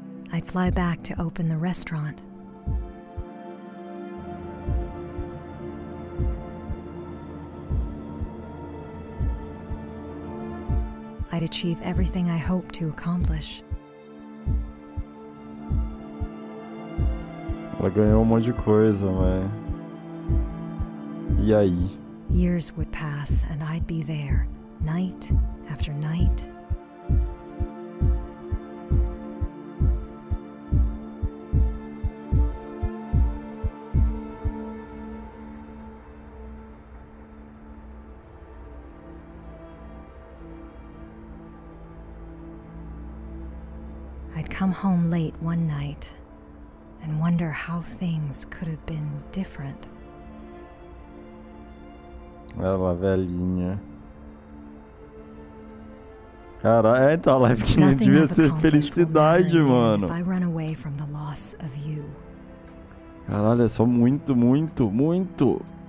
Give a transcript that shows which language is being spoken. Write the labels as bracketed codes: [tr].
[en] I'd fly back to open the restaurant. I'd achieve everything I hoped to accomplish. [pt] Ela ganhou um monte de coisa, mas... E aí? [en] Years would pass and I'd be there, night after night. I'd come home late one night and wonder how things could have been different. [pt] Ela velhinha. Cara, é então a live que devia ser felicidade, mano. [en] I run away from the loss of you. [pt] Caralho, é só muito, muito, muito.